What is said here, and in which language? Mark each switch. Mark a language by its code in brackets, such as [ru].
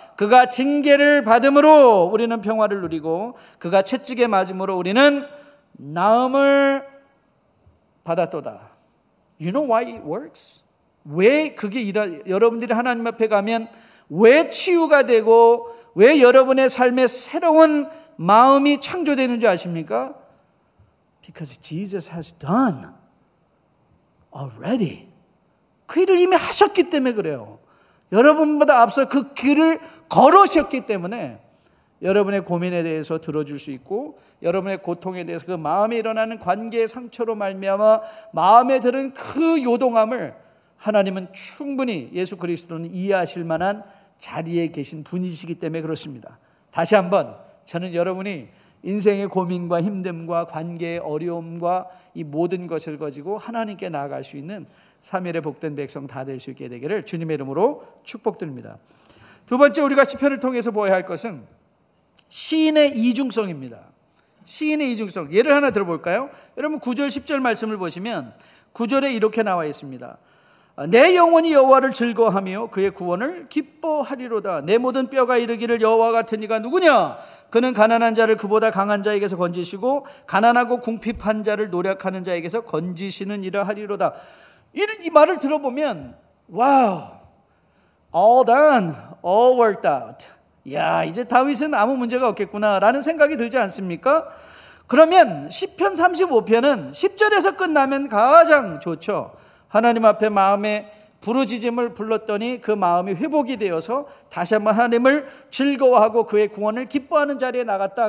[ko] 그가 징계를 받음으로 우리는 평화를 누리고 그가 채찍에 맞음으로 우리는 나음을 받았도다. [en] You know why it works? [ko] 왜 그게 이런, 여러분들이 하나님 앞에 가면 왜 치유가 되고 왜 여러분의 삶에 새로운 마음이 창조되는 줄 아십니까? [en] Because Jesus has done already. [ko] 그 일을 이미 하셨기 때문에 그래요. 여러분보다 앞서 그 길을 걸으셨기 때문에 여러분의 고민에 대해서 들어줄 수 있고 여러분의 고통에 대해서 그 마음에 일어나는 관계의 상처로 말미암아 마음에 드는 그 요동함을 하나님은 충분히 예수 그리스도는 이해하실 만한 자리에 계신 분이시기 때문에 그렇습니다. 다시 한번 저는 여러분이 인생의 고민과 힘듦과 관계의 어려움과 이 모든 것을 가지고 하나님께 나아갈 수 있는 3일의 복된 백성 다 될 수 있게 되기를 주님의 이름으로 축복드립니다. 두 번째 우리가 시편을 통해서 보아야 할 것은 시인의 이중성입니다. 시인의 이중성. 예를 하나 들어볼까요? 여러분 9절 10절 말씀을 보시면 9절에 이렇게 나와 있습니다. 내 영혼이 여호와를 즐거워하며 그의 구원을 기뻐하리로다. 내 모든 뼈가 이르기를 여호와 같은 이가 누구냐? 그는 가난한 자를 그보다 강한 자에게서 건지시고 가난하고 궁핍한 자를 노략하는 자에게서 건지시는 이라 하리로다. 이 말을 들어보면 와우, [en] all done, all worked out. [ko] 야, 이제 다윗은 아무 문제가 없겠구나 라는 생각이 들지 않습니까? 그러면 시편 35편은 10절에서 끝나면 가장 좋죠. 하나님 앞에 마음에 부르짖음을 불렀더니 그 마음이 회복이 되어서 다시 한번 하나님을 즐거워하고 그의 구원을 기뻐하는 자리에 나갔다.